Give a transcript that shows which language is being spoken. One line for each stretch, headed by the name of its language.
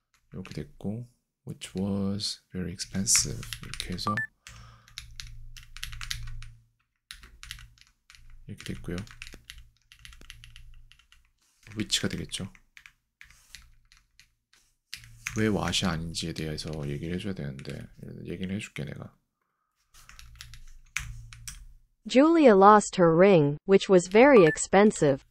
Korean: 이렇게 됐고,
English: which was very expensive.
Korean: 이렇게 해서 이렇게 됐고요. which가 되겠죠. 왜 what이 아닌지에 대해서 얘기를 해줘야 되는데, 얘기를 해줄게 내가.
English: Julia lost her ring, which was very expensive.